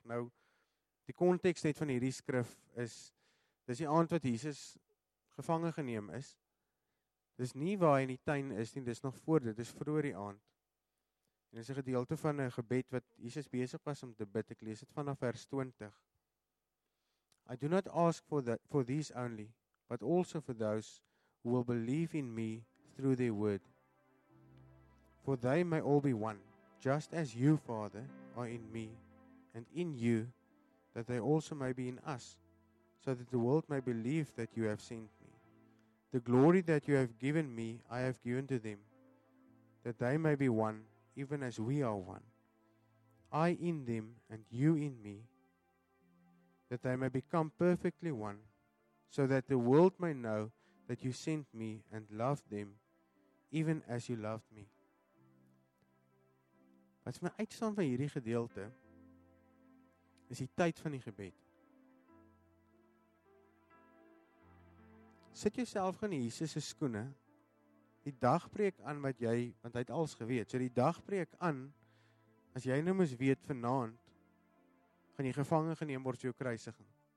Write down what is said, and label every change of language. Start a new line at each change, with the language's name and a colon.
Afrikaans: Nou, die context net van hierdie skrif is, dis die aand wat Jesus gevange geneem is. Dis nie waar hy in die tuin is nie, dis nog voor dit, dis vroeër die aand. En dis 'n gedeelte van 'n gebed wat Jesus besig was om te bid, ek lees het vanaf vers 20.
English: I do not ask for these only, but also for those who will believe in me through their word. For they may all be one, just as you, Father, are in me, and in you, that they also may be in us, so that the world may believe that you have sent me. The glory that you have given me, I have given to them, that they may be one, even as we are one. I in them, and you in me, that they may become perfectly one, so that the world may know that you sent me and loved them, even as you loved me.
Afrikaans: Wat my uitstaan van hierdie gedeelte, is die tyd van die gebed. Sit jouself in Jesus' skoene, die dag breek aan wat jy, want hy het alles geweet, so die dag breek aan, as jy nou moes weet vanaand, gaan jy gevange geneem word vir jou kruisiging.